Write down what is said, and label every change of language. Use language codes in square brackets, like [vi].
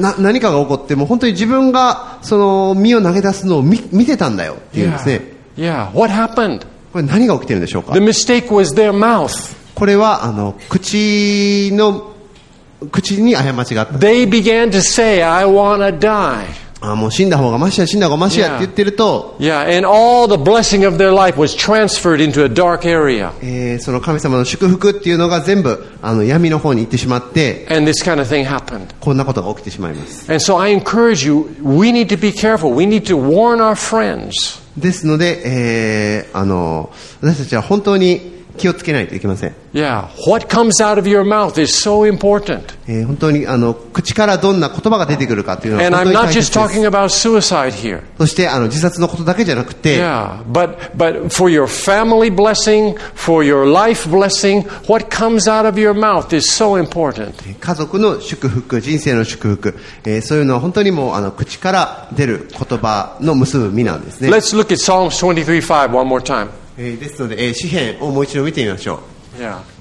[ja] 何かが起こって、もう本当に自分がその身を投げ出すのを見てたんだよっていうんですね。 [en] Yeah, what happened? [ja] これ何が起きてるんでしょうか [en] ？The mistake was their mouth. [ja] これは口の口に過ちがあった。 [en] They began to say, "I want to die." [ja] もう死んだ方がマシや、死んだ方がマシやって言ってると、 [en] Yeah, and all the blessing of their life was transferred into a dark area. [ja] その神様の祝福っていうのが全部闇の方に行ってしまって、 [en] And this kind of thing happened. [ja] こんなことが起きてしまいます。 [en] And so I encourage you, we need to be careful. We need to warn our friends. [ja] ですので、私たちは本当に気をつけないといけません。 [en] Yeah, what comes out of your mouth is so important. [ja] 本当に口からどんな言葉が出てくるかというのは [en] And I'm not just talking about suicide here. [ja] そして自殺のことだけじゃなくて、 [en] Yeah, but for your family blessing, for your life blessing, what comes out of your mouth is so important. [ja] 家族の祝福、人生の祝福、そういうのは本当にもう口から出る言葉の結ぶ実なんですね。 [en] Let's look at Psalms 23:5 one more time. [ja] ですので、詩編をもう一度見てみましょう、 [en] yeah.